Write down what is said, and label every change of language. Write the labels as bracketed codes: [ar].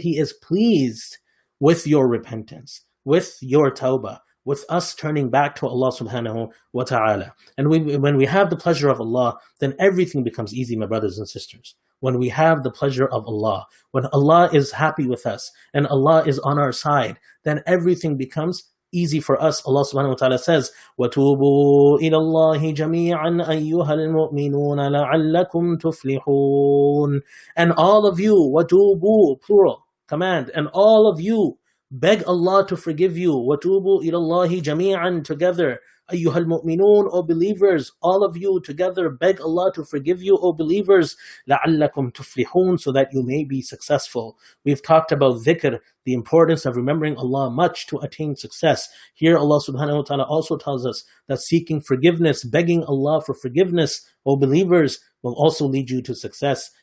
[en] He is pleased with your repentance, with your tawbah, with us turning back to Allah subhanahu wa ta'ala. And when we have the pleasure of Allah, then everything becomes easy, my brothers and sisters. When we have the pleasure of Allah, when Allah is happy with us and Allah is on our side, then everything becomes easy for us. Allah subhanahu wa ta'ala says, [ar] وَتُوبُوا إِلَى اللَّهِ جَمِيعًا أَيُّهَا الْمُؤْمِنُونَ لَعَلَّكُمْ تُفْلِحُونَ. [en] And all of you, وَتُوبُوا, plural, command, and all of you, beg Allah to forgive you. [ar] وَتُوبُوا إِلَى اللَّهِ جَمِيعًا, [en] together. [ar] أَيُّهَا الْمُؤْمِنُونَ, [en] O believers, all of you together, beg Allah to forgive you, O believers. [ar] لَعَلَّكُمْ تُفْلِحُونَ, [en] so that you may be successful. We've talked about dhikr, the importance of remembering Allah much to attain success. Here Allah subhanahu wa ta'ala also tells us that seeking forgiveness, begging Allah for forgiveness, O believers, will also lead you to success.